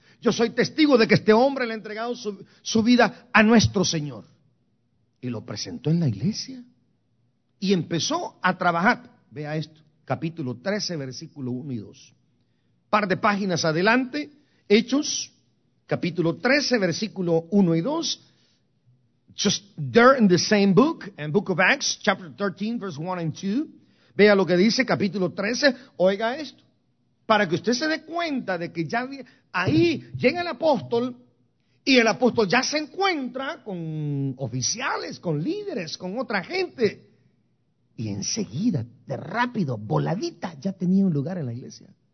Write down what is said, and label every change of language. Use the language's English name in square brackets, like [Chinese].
[Spanish] Yo soy testigo de que este hombre le ha entregado su vida a nuestro Señor. Y lo presentó en la iglesia. Y empezó a trabajar. Vea esto, capítulo 13, versículo 1 y 2. Par de páginas adelante, Hechos, capítulo 13, versículo 1 y 2. [English] Just there in the same book, in book of Acts, chapter 13, verse 1 and 2. [Spanish] Vea lo que dice, capítulo 13, oiga esto. Para que usted se dé cuenta de que ya ahí llega el apóstol, y el apóstol ya se encuentra con oficiales, con líderes, con otra gente. Y enseguida, de rápido, voladita, ya tenía un lugar en la iglesia.